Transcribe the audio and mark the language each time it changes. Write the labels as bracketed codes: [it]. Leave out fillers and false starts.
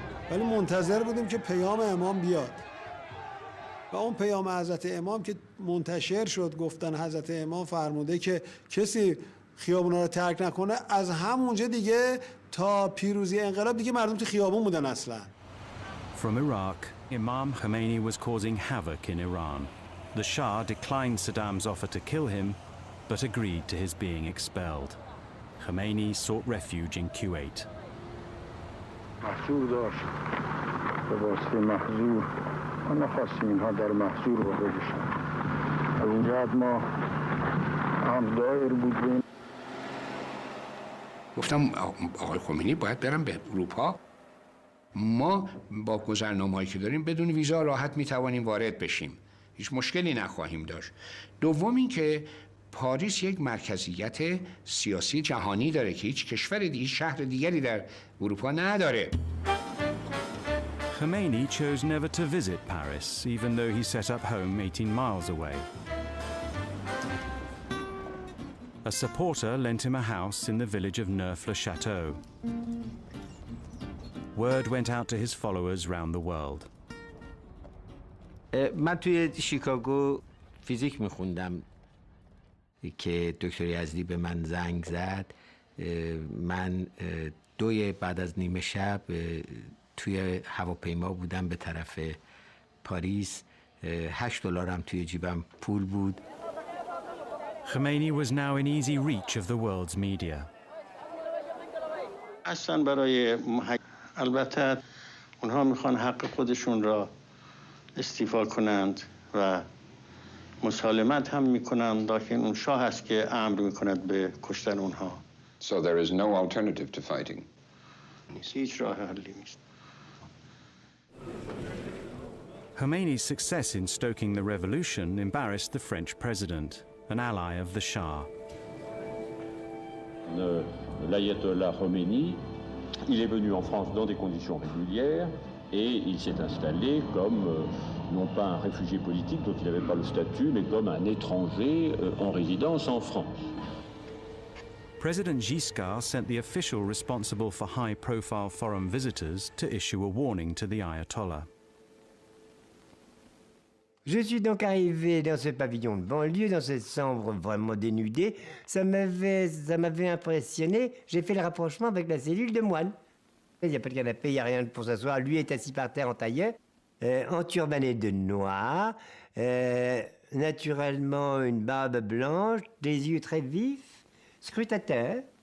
[fa] ولی منتظر بودیم که پیام امام بیاد. و اون پیام حضرت امام که منتشر شد گفتن حضرت امام فرموده که کسی خیابونا رو ترک نکنه از همونجا دیگه تا پیروزی انقلاب دیگه مردم تو خیابون بودن اصلا. [en] From Iraq, Imam Khomeini was causing havoc in Iran. The Shah declined Saddam's offer to kill him, but agreed to his being expelled. Khomeini sought refuge in Kuwait. [fa] محصور داشت به واسطه محضور ما نخواستیم اینها در محضور واقع بشن از اینجا ما هم دایر بودیم گفتم آقای خمینی باید برم به اروپا ما با گذرنامه‌هایی که داریم بدون ویزا راحت میتوانیم وارد بشیم، هیچ مشکلی نخواهیم داشت. دوم این که پاریس یک مرکزیت سیاسی جهانی داره که هیچ کشور دیگه، هیچ شهر دیگری در اروپا نداره. [en] Khomeini chose never to visit Paris, even though he set up home 18 miles away. A supporter lent him a house in the village of Neuf-le-Château. Word went out to his followers round the world. [fa] من توی شیکاگو فیزیک می‌خوندم که دکتر یزدی به من زنگ زد. من دوی بعد از نیمه شب توی هواپیما بودم به طرف پاریس. $8 هم توی جیبم پول بود. [en] Khomeini was now in easy reach of the world's media. [fa] اصلا برای البته اونها میخوان حق خودشون را استیفا کنند و مسالمت هم میکنند، لیکن اون شاه هست که امر میکند به کشتن اونها. [en] So there is no alternative to fighting. [fa] هیچ راه حلی نیست. [en] Khomeini's success in stoking the revolution embarrassed the French president, an ally of the Shah. [fr] L'Ayatollah Khomeini, il est venu en France dans des conditions régulières et il s'est installé comme non pas un réfugié politique dont il n'avait pas le statut, mais comme un étranger en résidence en France. [en] President Giscard sent the official responsible for high-profile foreign visitors to issue a warning to the Ayatollah. [fr] Je suis donc arrivé dans ce pavillon de banlieue, dans cette chambre vraiment dénudée. Ça m'avait impressionné. J'ai fait le rapprochement avec la cellule de moine. Il n'y a pas de canapé, il n'y a rien pour s'asseoir. Lui est assis par terre en tailleur, en turbané de noir, naturellement une barbe blanche, des yeux très vifs, scrutateur.